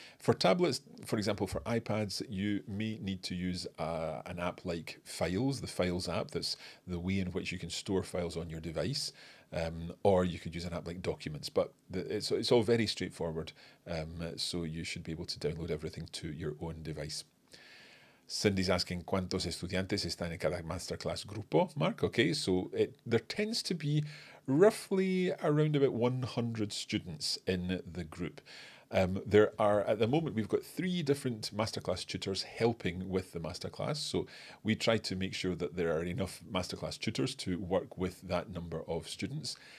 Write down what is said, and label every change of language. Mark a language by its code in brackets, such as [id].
[en] For tablets, for example, for iPads, you may need to use an app like Files, the Files app. That's the way in which you can store files on your device. Or you could use an app like Documents, but it's all very straightforward. So you should be able to download everything to your own device. Cindy's asking, [es] ¿cuántos estudiantes están en cada masterclass grupo, Mark? [en] Okay, so there tends to be roughly around about 100 students in the group. There are, at the moment, we've got three different masterclass tutors helping with the masterclass. So we try to make sure that there are enough masterclass tutors to work with that number of students.